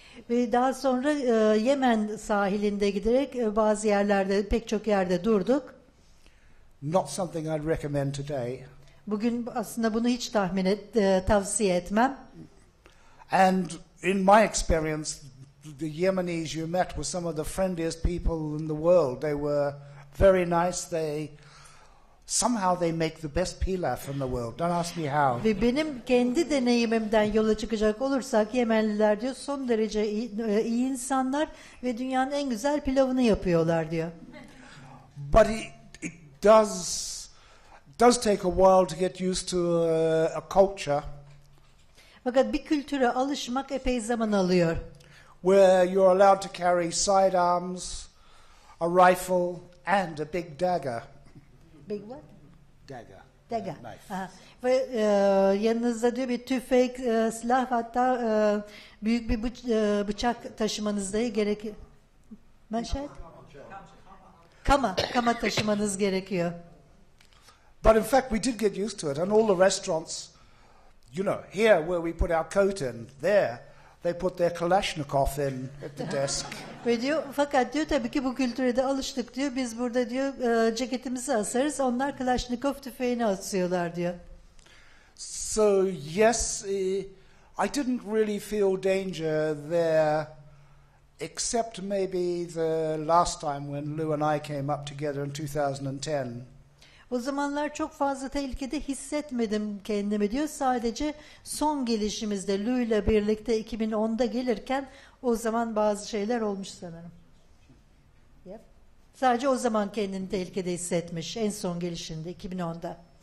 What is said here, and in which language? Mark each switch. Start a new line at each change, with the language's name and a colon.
Turkish: Ve daha sonra Yemen sahilinde giderek bazı yerlerde pek çok yerde durduk.
English: Not something I'd recommend today.
Turkish: Bugün aslında bunu hiç tahmin et tavsiye etmem.
English: And in my experience, the Yemenis you met were some of the friendliest people in the world. They were very nice. Somehow they make the best pilaf in the world. Don't ask me how.
Turkish: Ve benim kendi deneyimimden yola çıkacak olursak Yemenliler diyor son derece iyi insanlar ve dünyanın en güzel pilavını yapıyorlar diyor.
English: But it does take a while to get used to a culture.
Turkish: Fakat bir kültüre alışmak epey zaman alıyor.
English: Where you're allowed to carry sidearms, a rifle and a big dagger. Big what? Dagger. Dagger. Knife.
Turkish: Ve yanınızda diyor bir tüfek, silah hatta büyük bir bıçak taşımanız da gerekir. Manşet? Kama taşımanız gerekiyor.
English: But in fact we did get used to it and all the restaurants, you know, here where we put our coat in, there they put their Kalashnikov in at the desk.
Turkish: Ve diyor, fakat diyor tabii ki bu kültüre de alıştık diyor. Biz burada diyor ceketimizi asarız, onlar Kalashnikov tüfeğini asıyorlar diyor.
English: So yes, I didn't really feel danger there, except maybe the last time when Lou and I came up together in 2010.
Turkish: O zamanlar çok fazla tehlikede hissetmedim kendimi diyor. Sadece son gelişimizde Lou ile birlikte 2010'da gelirken o zaman bazı şeyler olmuş sanırım. Yep. Sadece o zaman kendini tehlikede hissetmiş en son gelişinde 2010'da.